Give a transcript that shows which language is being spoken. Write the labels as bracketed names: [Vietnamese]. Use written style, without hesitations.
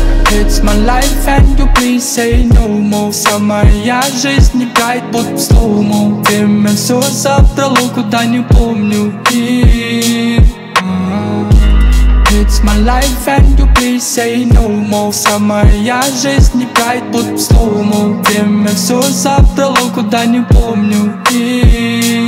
[English] It's my life and you please say no more. [Russian] Вся моя жизнь играет под слоумо. Время все забрало, куда не помню. И... [English] It's my life and you please say no more. [Russian] Вся моя жизнь играет под слоумо. Время все забрало, куда не помню. И...